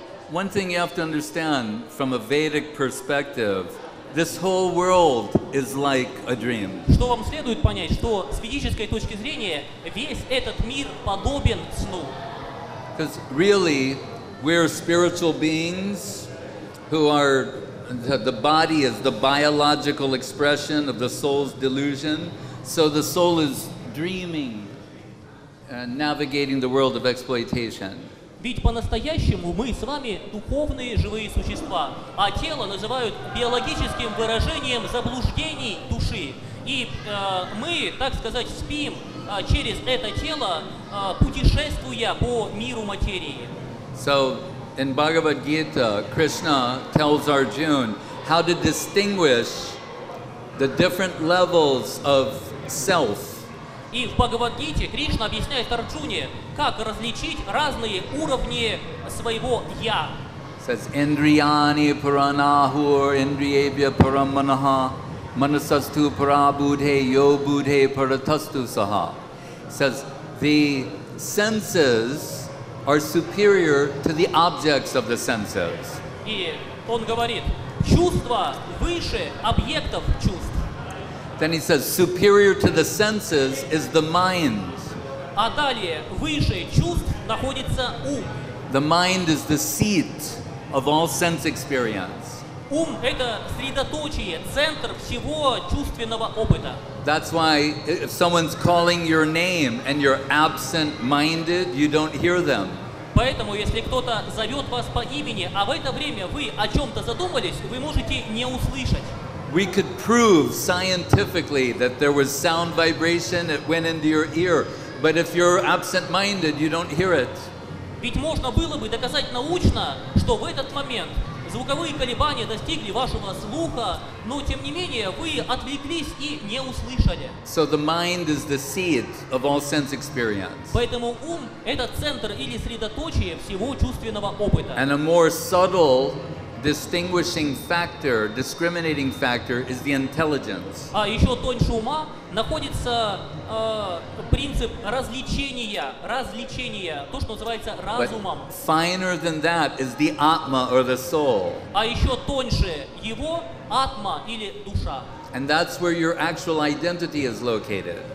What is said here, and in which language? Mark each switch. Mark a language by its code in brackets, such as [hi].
[en] One thing you have to understand from a Vedic perspective, this whole world is like a dream. [ru] Что вам следует понять, что с ведической точки зрения весь этот мир подобен сну. [en] Because really, we're spiritual beings who are the body is the biological expression of the soul's delusion. So the soul is dreaming and navigating the world of exploitation. [ru] Ведь по-настоящему мы с вами духовные живые существа, а тело называют биологическим выражением заблуждений души. И мы, так сказать, спим через это тело, путешествуя по миру материи. [en] So, in Bhagavad Gita, Krishna tells Arjuna how to distinguish the different levels of self. [ru] И в Бхагавад-гите Кришна объясняет Арджуне, как различить разные уровни своего «я». [en] Says, [sa] «Индрияни паранахур, индриебья параманаха, манасасту парабудхе, йо будхе паратасту саха». [en] Says, «The senses are superior to the objects of the senses». [ru] И он говорит, «Чувства выше объектов чувств». [en] Then he says, superior to the senses is the mind. [ru] А далее, выше чувств находится ум. [en] The mind is the seat of all sense experience. [ru] Ум — это средоточие, центр всего чувственного опыта. [en] That's why if someone's calling your name and you're absent-minded, you don't hear them. [ru] Поэтому, если кто-то зовет вас по имени, а в это время вы о чем-то задумались, вы можете не услышать. [en] We could prove scientifically that there was sound vibration, it went into your ear. But if you're absent-minded, you don't hear it. [ru] Ведь можно было бы доказать научно, что в этот момент звуковые колебания достигли вашего слуха, но тем не менее вы отвлеклись и не услышали. [en] So the mind is the seat of all sense experience. [ru] Поэтому ум — это центр или средоточие всего чувственного опыта. [en] And a more subtle distinguishing factor, discriminating factor, is the intelligence. [ru] А еще тоньше ума находится принцип различения, различения, то, что называется разумом. [en] But finer than that is the atma or the soul. [ru] А еще тоньше его атма или душа. [en] And that's where your actual identity is located.